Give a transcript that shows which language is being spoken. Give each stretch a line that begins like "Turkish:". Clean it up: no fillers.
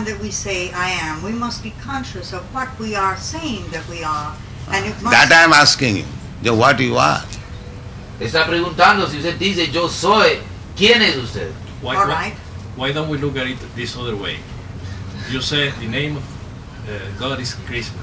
English: Every time that we say I am, we must be conscious of what we are saying that we are. And it must that I am asking you, what you are.
Spanish: Está preguntando si usted dice yo soy, ¿quién es usted?
English: Why, all right. Why don't we look at it this other way? You say the name of God is Krishna.